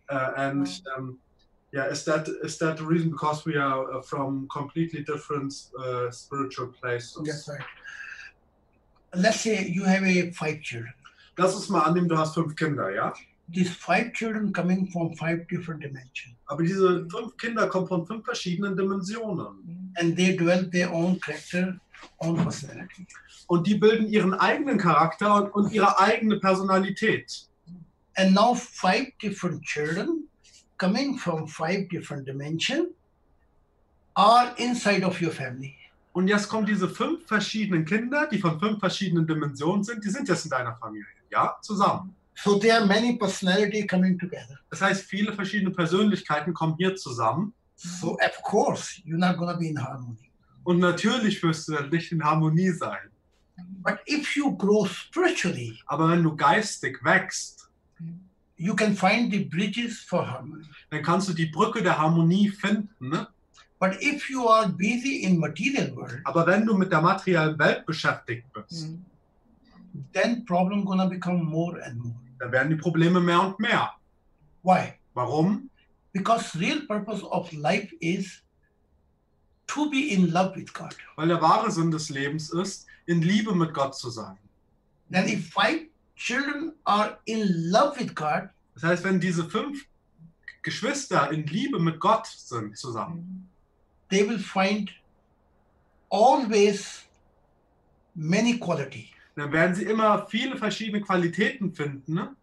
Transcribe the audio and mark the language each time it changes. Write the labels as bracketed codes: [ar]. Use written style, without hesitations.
[en] Is that the reason because we are from completely different spiritual places? That's right. Let's say you have five children. [de] Lass uns mal annehmen, du hast fünf Kinder, ja? [en] These five children coming from five different dimensions. [de] Aber diese fünf Kinder kommen von fünf verschiedenen Dimensionen. [en] And they develop their own character, own personality. [de] Und die bilden ihren eigenen Charakter und ihre eigene Personalität. [en] And now five different children coming from five different dimensions are inside of your family. [de] Und jetzt kommen diese fünf verschiedenen Kinder, die von fünf verschiedenen Dimensionen sind, die sind jetzt in deiner Familie, ja, zusammen. [en] So there are many personalities coming together. [de] Das heißt, viele verschiedene Persönlichkeiten kommen hier zusammen. [en] So of course, you're not going to be in harmony. [de] Und natürlich wirst du dann nicht in Harmonie sein. [en] But if you grow spiritually, [de] aber wenn du geistig wächst, [en] you can find the bridges for harmony. [de] Dann kannst du die Brücke der Harmonie finden, ne? [en] But if you are busy in material world, [de] aber wenn du mit der materiellen Welt beschäftigt bist, [en] then problem gonna become more and more. [de] Dann werden die Probleme mehr und mehr. [en] Why? [de] Warum? [en] Because real purpose of life is to be in love with God. [de] Weil der wahre Sinn des Lebens ist, in Liebe mit Gott zu sein. [en] Then if five children are in love with God, [de] das heißt, wenn diese fünf Geschwister in Liebe mit Gott sind zusammen, [en] they will find always many quality. [de] Dann werden sie immer viele verschiedene Qualitäten finden.